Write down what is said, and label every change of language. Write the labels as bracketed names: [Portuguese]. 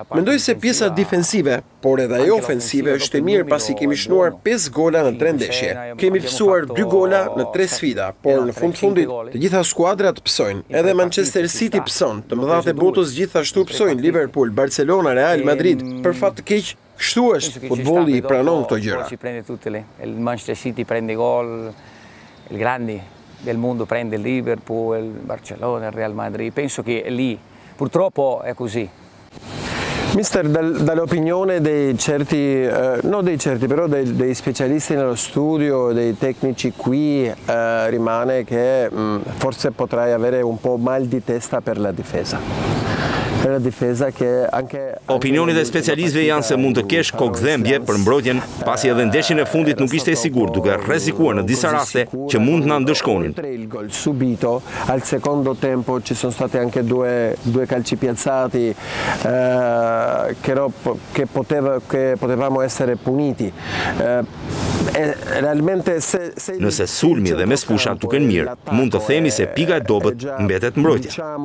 [Albanian] Mendoj se pjesa defensive, por edhe ajo ofensive është e mirë pasi kemi shënuar 5 gola në 3 ndeshje. Kemi pësuar 2 gola në 3 sfida, por në fund-fundit të gjitha skuadrat pësojnë. Edhe Manchester City pëson, të mëdhat e botës gjithashtu pësojnë, Liverpool, Barcelona, Real Madrid, për fat të keq. Kështu është, futbolli i pranon këto gjëra. [Italian] Si prende tutte le, il Manchester City prende gol, il grandi del mondo prende il Liverpool, il Barcellona, il Real Madrid. Penso che lì, purtroppo è così. Mister, dall'opinione dei certi, non dei certi, però dei specialisti nello studio, dei tecnici qui, rimane che forse potrai avere un po' mal di testa per la difesa. Per la difesa che anche [Albanian] opinioni dhe specialistëve janë se mund të kesh kokdhëmbje për mbrojtjen, pasi edhe ndeshjen e fundit nuk ishte e sigurt, duke rrezikuar në disa raste që mund të na ndëshkonin. [Italian] Il gol subito al secondo tempo ci sono stati anche due calci piazzati che potevamo essere puniti. Realmente se [Albanian] nëse sulmi dhe me sfusha duken mirë, mund të themi se pika e dobët mbetet mbrojtja.